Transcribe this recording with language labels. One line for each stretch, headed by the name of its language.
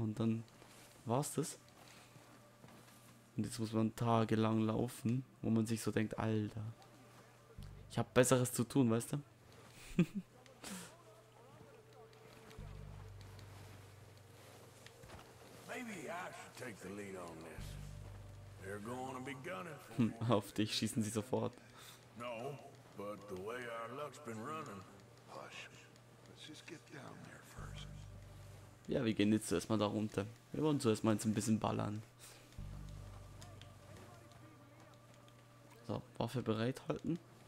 German: Und dann war's das. Und jetzt muss man tagelang laufen, wo man sich so denkt, Alter. Ich hab Besseres zu tun, weißt du? Auf dich schießen sie sofort.
English: No, but the way our luck's been running. Hush. Let's just get down there first.
German: Ja, wir gehen jetzt zuerst mal da runter. Wir wollen zuerst mal jetzt ein bisschen ballern. So, Waffe bereithalten.